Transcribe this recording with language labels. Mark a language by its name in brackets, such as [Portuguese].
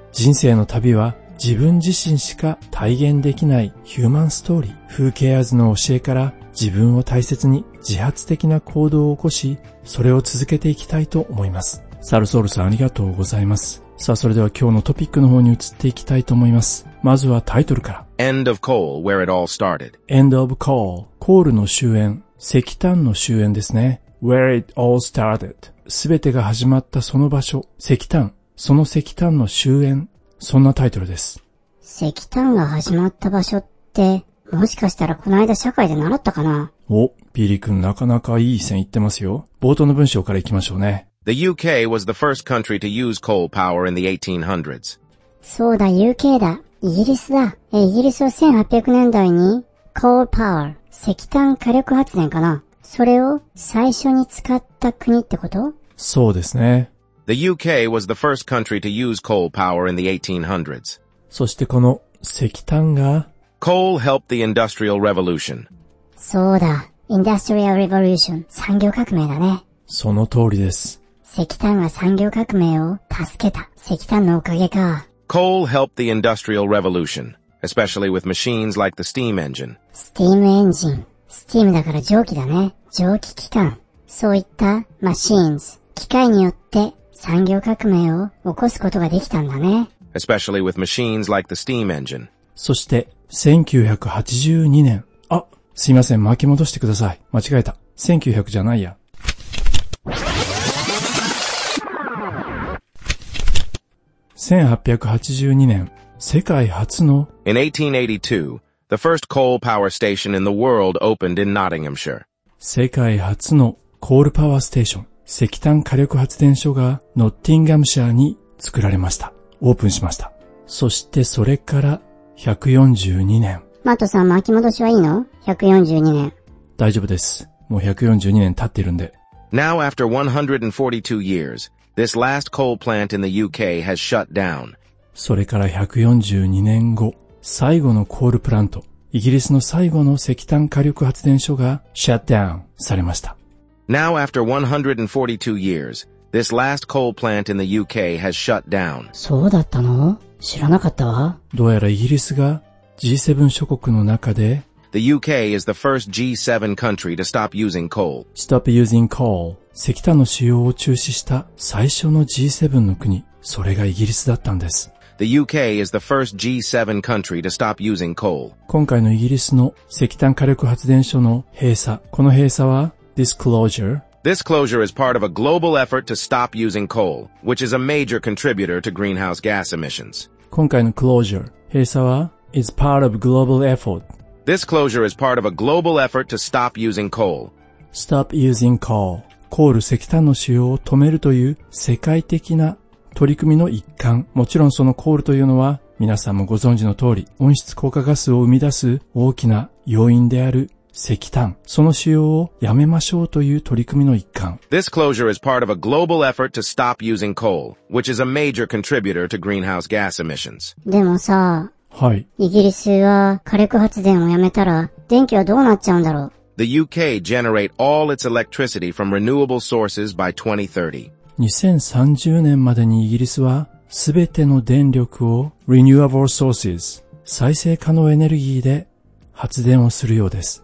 [Japanese] 人生の旅は自分自身しか体現できないヒューマンストーリー。 [English] Who cares [Japanese] の教えから自分を大切に自発的な行動を起こし、それを続けていきたいと思います。サルソルさんありがとうございます。さあそれでは今日のトピックの方に移っていきたいと思います。まずはタイトルから。 [English] End of coal, where it all started. End of coal, [Japanese] コールの終焉。石炭の終焉ですね。 [English] Where it all started. [Japanese] 全てが始まったその場所。石炭。その石炭の終焉。そんなタイトルです。石炭が始まった場所って、もしかしたらこの間社会で習ったかな？お、ビリ君なかなかいい線いってますよ。冒頭の文章からいきましょうね。 [English] The UK was the first country to use coal power in the 1800s. [Japanese] そうだ、UK だ。イギリスだ。イギリスは1800年代に、coal power、石炭火力発電かな。それを最初に使った国ってこと？そうですね。 [English] The UK was the first country to use coal power in the 1800s. [Japanese] そしてこの石炭が、 [English] coal helped the industrial revolution. [Japanese] そうだ、industrial revolution、産業革命だね。その通りです。石炭は産業革命を助けた。石炭のおかげか。 [English] Coal helped the industrial revolution, especially with machines like the steam engine. Steam engine. [Japanese] Steam だから蒸気だね。蒸気機関。そういった machines、機械によって産業革命を起こすことができたんだね。 [English] Especially with machines like the steam engine. [Japanese] そして、1982年。あ、すいません、巻き戻してください。間違えた。1900じゃないや。 1882年、世界初の [English] In 1882, the first coal power station in the world opened in Nottinghamshire. [Japanese] 世界初のコールパワーステーション、石炭火力発電所がノッティンガムシャーに作られました。オープンしました。そしてそれから142年。マトさん、巻き戻しはいいの ?142 年。大丈夫です。もう142年経ってるんで。 [English] Now after 142 years,This last coal plant in the UK has shut down. [Japanese] それから142年後、最後のコールプラント、イギリスの最後の石炭火力発電所が shut down されました。 [English] Now after 142 years, this last coal plant in the UK has shut down. [Japanese] そうだったの？知らなかったわ。どうやらイギリスが G7 諸国の中で、 [English] The UK is the first G7 country to stop using coal. Stop using coal. [Japanese] 石炭の使用を中止した最初の G7 の国、それがイギリスだったんです。 [English] The UK is the first G7 country to stop using coal. [Japanese] 今回のイギリスの石炭火力発電所の閉鎖、この閉鎖は disclosure。 [English] This closure is part of a global effort to stop using coal, which is a major contributor to greenhouse gas emissions. [Japanese] 今回の closure, 閉鎖は [English] is part of global effort. This closure is part of a global effort to stop using coal. Stop using coal. [Japanese] コール石炭の使用を止めるという世界的な取り組みの一環。もちろんそのコールというのは皆さんもご存知の通り、温室効果ガスを生み出す大きな要因である石炭、その使用をやめましょうという取り組みの一環。 [English] This closure is part of a global effort to stop using coal, which is a major contributor to greenhouse gas emissions. [Japanese] でもさ、はい。イギリスは火力発電をやめたら電気はどうなっちゃうんだろう。 [English] The UK generate all its electricity from renewable sources by 2030. [Japanese] 2030年までにイギリスはすべての電力を renewable sources、再生可能エネルギーで発電をするようです。